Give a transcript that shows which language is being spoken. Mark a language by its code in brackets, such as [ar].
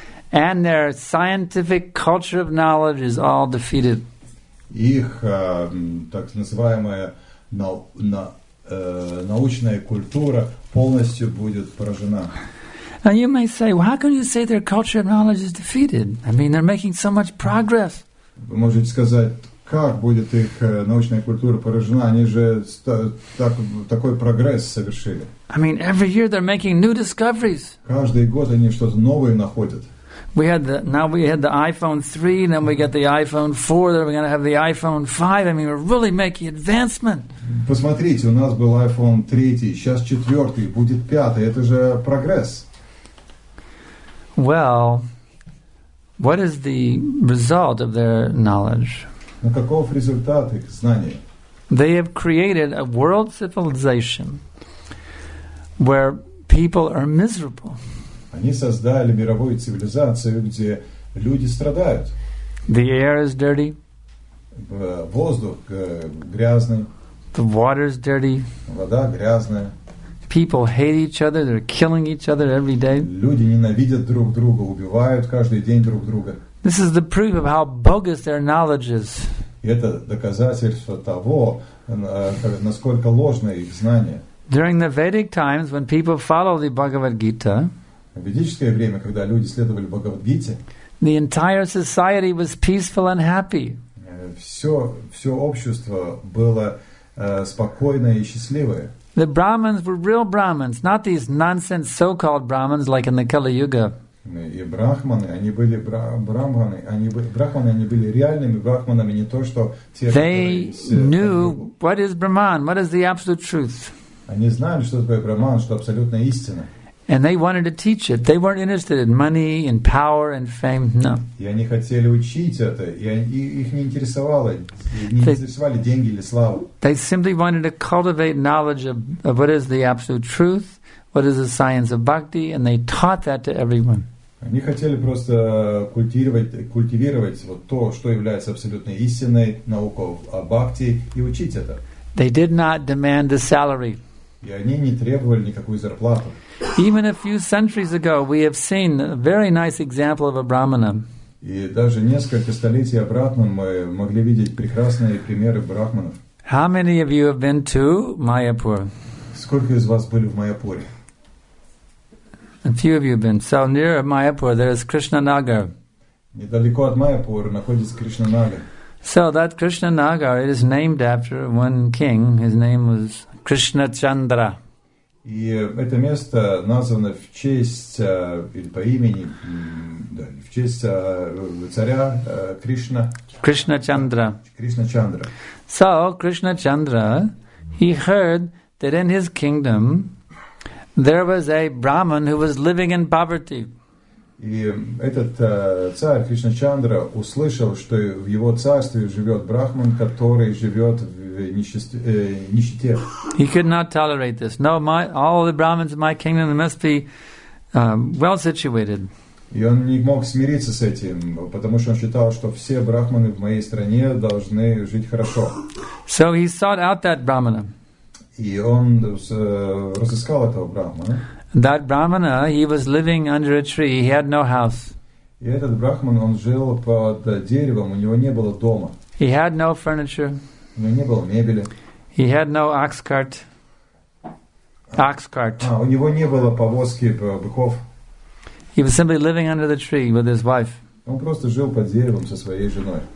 [en] And their scientific culture of knowledge is all defeated. [ru] Их так называемая научная культура полностью будет поражена. [en] And you may say, well, how can you say their culture of knowledge is defeated? I mean, they're making so much progress. [ru] Вы можете сказать, как будет их научная культура поражена? Они же такой прогресс совершили. [en] I mean, every year they're making new discoveries. [ru] Каждый год они что-то новое находят. [en] We had the iPhone 3, and then we get the iPhone 4, then we're going to have the iPhone 5. I mean, we're really making advancement. [ru] Посмотрите, у нас был iPhone 3, сейчас 4, будет 5. Это же прогресс. [en] Well, what is the result of their knowledge? [ru] Но каков результат их знаний? [en] They have created a world civilization where people are miserable. [ru] Они создали мировую цивилизацию, где люди страдают. [en] The air is dirty. [ru] Воздух грязный. [en] The water is dirty. [ru] Вода грязная. [en] People hate each other, they're killing each other every day. [ru] Люди ненавидят друг друга, убивают каждый день друг друга. [en] This is the proof of how bogus their knowledge is. [ru] Это доказательство того, насколько ложное их знание. [en] During the Vedic times, when people follow the Bhagavad Gita, [ru] в ведическое время, когда люди следовали Бхагавад-гите, [en] the entire society was peaceful and happy. [ru] Все общество было спокойное и счастливое. [en] The Brahmins were real Brahmins, not these nonsense so-called Brahmins like in the Kali-yuga. [ru] И брахманы, они были брахманы, они были реальными брахманами, не то что те, которые... [en] They knew what is Brahman, what is the absolute truth. [ru] Они знали, что такое Брахман, что абсолютная истина. [en] And they wanted to teach it. They weren't interested in money, in power, and fame. No. [ru] И они хотели учить это, и их не интересовало, не интересовали деньги или славу. [en] They simply wanted to cultivate knowledge of what is the absolute truth, what is the science of bhakti, and they taught that to everyone. [ru] Они хотели просто культивировать вот то, что является абсолютной истиной, науку о бхакти, и учить это. [en] They did not demand the salary. [ru] И они не требовали никакую зарплату. [en] Even a few centuries ago, we have seen a very nice example of a brahmana. [ru] И даже несколько столетий обратно мы могли видеть прекрасные примеры брахманов. [en] How many of you have been to Mayapur? [ru] Сколько из вас были в Майяпуре? [en] A few of you have been. So near Mayapur, there is Krishna Nagar. [ru] Недалеко от Майяпура находится Кришна Нагар. [en] So that Krishna Nagar, it is named after one king. His name was Krishna Chandra. [ru] И это место названо в честь или по имени, да, в честь царя Кришна. [en] Krishna Chandra. Krishna Chandra. So Krishna Chandra, he heard that in his kingdom there was a Brahmin who was living in poverty. [ru] И этот царь Кришна Чандра услышал, что в его царстве живет брахман, который живет в нищете. [en] He could not tolerate this. No, all the Brahmins in my kingdom must be well situated. [ru] И он не мог смириться с этим, потому что он считал, что все брахманы в моей стране должны жить хорошо. [en] So he sought out that brahmana. [ru] И он разыскал этого брахмана. [en] That brahmana, he was living under a tree. He had no house. [ru] И этот брахман, он жил под деревом. У него не было дома. [en] He had no furniture. [ru] У него не было мебели. [en] He had no ox cart. Ox cart. [ru] У него не было повозки быков. [en] He was simply living under the tree with his wife. [ru] Он просто жил под деревом со своей женой.